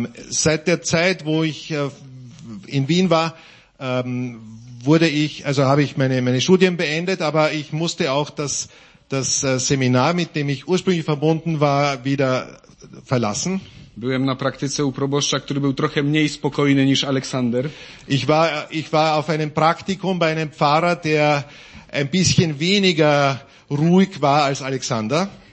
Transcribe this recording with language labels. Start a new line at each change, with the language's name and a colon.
German: Seit der Zeit, wo ich in Wien war, wurde ich, also habe ich meine Studien beendet, aber ich musste auch das das Seminar, mit dem ich ursprünglich verbunden war, wieder verlassen.
Polish: Byłem na praktyce u proboszcza, który był trochę mniej spokojny niż Aleksander.
German: Ich war auf einem Praktikum bei einem Pfarrer, der ein bisschen weniger ruhig war als Aleksander.